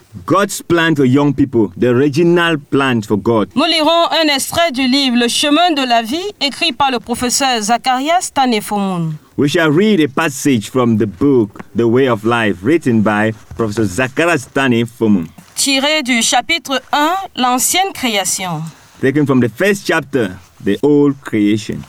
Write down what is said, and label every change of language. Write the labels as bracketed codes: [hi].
[en] God's plan for young people, the original plan for God. [fr] Nous lirons un extrait du livre Le chemin de la vie écrit par le professeur Zacharias Tanefomoun. [en] We shall read a passage from the book The Way of Life written by Professor Zacharias Tanefomoun. [fr] Tiré du chapitre 1, l'ancienne création. [en] Taken from the first chapter, the old creation.